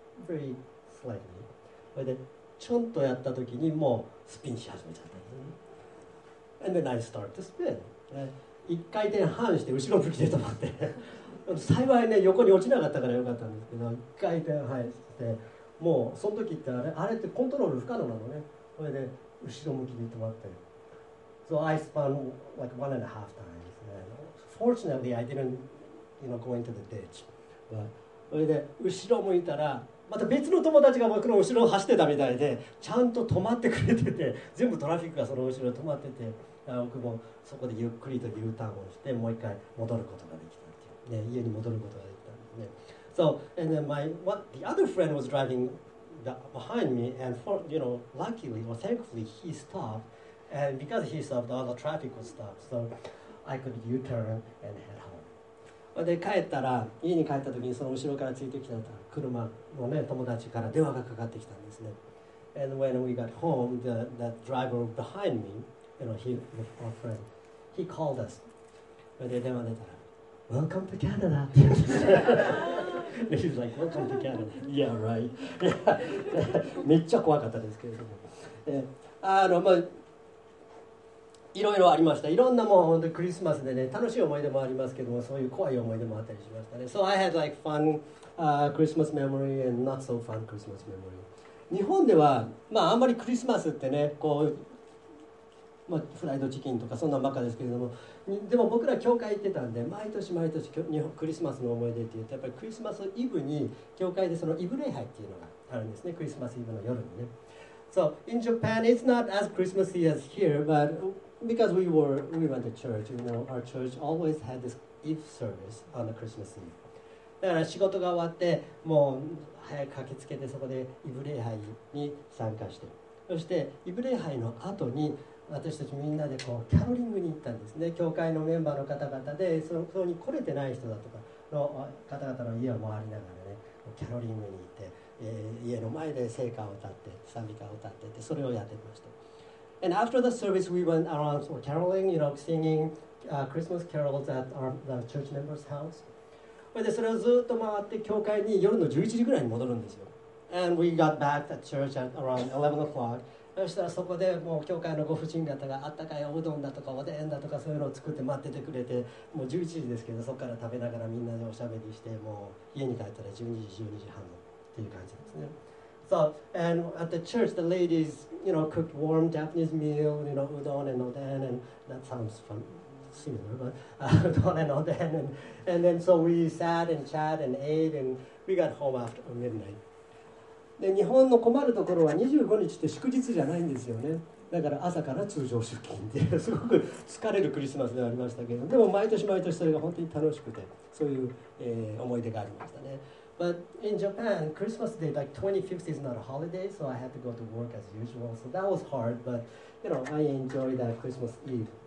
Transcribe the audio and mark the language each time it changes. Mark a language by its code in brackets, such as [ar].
[en] Very slightly. [ja] それでちょんとやった時にもうスピンし始めちゃったんだよ [en] ね。And then I start to spin. [ja] 一回転半して後ろ向きで止まって幸いね横に落ちなかったからよかったんですけど、一回転半してもうその時ってあれってコントロール不可能なのね。それで後ろ向きで止まって、 [en] So I spun like one and a half times. Fortunately I didn't you know go into the ditch. [ja] それで後ろ向いたらまた別の友達が僕の後ろを走ってたみたいで、ちゃんと止まってくれてて、全部トラフィックがその後ろに止まってて、僕もそこでゆっくりと U ターンをしてもう一回戻ることができたっていう、ね、家に戻ることができたんですね。 [en] So and then my what the other friend was driving the, behind me and for you know luckily or thankfully he stopped and because he stopped all the traffic was stopped so I could U turn and head home. [ja] で帰ったら家に帰った時にその後ろからついてきた車のね友達から電話がかかってきたんですね。 [en] And when we got home the driver behind meYou know, he, our friend, he called us. But they didn't want to talk. Welcome to Canada. He was like, welcome to Canada. Yeah, right. [ja] めっちゃ怖かったですけれども。まあ、いろいろありました。いろんなもん、本当にクリスマスでね、楽しい思い出もありますけども、そういう怖い思い出もあったりしましたね。 [en] So I had like fun Christmas memory and not so fun Christmas memory. [ja] 日本では、まあ、あんまりクリスマスってね、こう、まあ、フライドチキンとかそんなバカですけれども、でも僕ら教会行ってたんで毎年毎年日本クリスマスの思い出って言うとやっぱりクリスマスイブに教会でそのイブ礼拝っていうのがあるんですね。クリスマスイブの夜にね。 [en] So in Japan, it's not as Christmassy as here, but because we went to church, you know, our church always had this Eve service on the Christmas Eve. [ja] だから仕事が終わってもう早く駆けつけてそこでイブ礼拝に参加して、そしてイブ礼拝の後に私たちみんなでこうキャロリングに行ったんですね。教会のメンバーの方々でそこに来れてない人だとかの方々の家を回りながらね、キャロリングに行って、家の前で聖歌を歌って賛美歌を歌ってって、それをやってました。 [en] And after the service we went around for caroling, you know, singing、Christmas carols at our, the church member's house。 [ja] でそれをずっと回って教会に夜の11時ぐらいに戻るんですよ。 [en] And we got back to church at around 11 o'clock. [ja] そしたらそこでもう教会のご婦人方があったかいおうどんだとかおでんだとかそういうのを作って待っててくれて、もう11時ですけどそこから食べながらみんなでおしゃべりして、もう家に帰ったら12時、12時半っていう感じですね。 [en] So, and at the church, the ladies, you know, cooked warm Japanese meal, you know, udon and oden, and that sounds fun. And then so we sat and chat and ate and we got home after midnight. [ja] で日本の困るところは25日って祝日じゃないんですよね。だから朝から通常出勤で、すごく疲れるクリスマスではありましたけど、でも毎年毎年それが本当に楽しくて、そういう、思い出がありましたね。 [en] But in Japan, Christmas Day, like 25th is not a holiday, so I had to go to work as usual. So that was hard, but you know, I enjoy that Christmas Eve.